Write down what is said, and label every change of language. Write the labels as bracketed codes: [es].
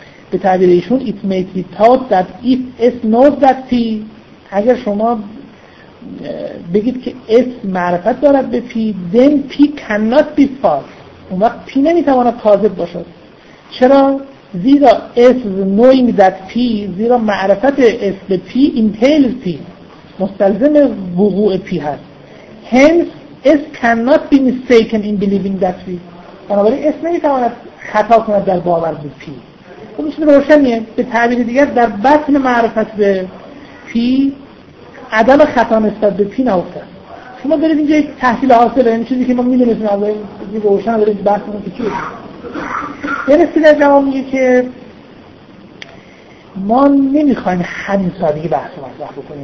[fa] به تعبیر ایشون [en] it may be taught that if S knows that P، [fa] اگر شما بگید که S معرفت دارد به P، [en] then P cannot be false. [fa] اون وقت P نمیتواند کاذب باشد. چرا؟ زیرا [en] S knowing that P، [fa] زیرا معرفت S به P [en] entails P، [fa] مستلزم وقوع P هست. [en] Hence S cannot be mistaken in believing that P. [fa] بنابراین S نمیتواند خطا کند در باور به P. خب میشه روشنیه. به تعبیر دیگر در بطن معرفت به P عدم خطا نسبت به P نهفته. شما دارید اینجا یک تحصیل حاصل داریم، چیزی که ما میدونیم از این روشن داریم بطنون که چیه درستی در جواب میگه که ما نمیخوایم همین سادگی بحث رو مطرح بکنیم.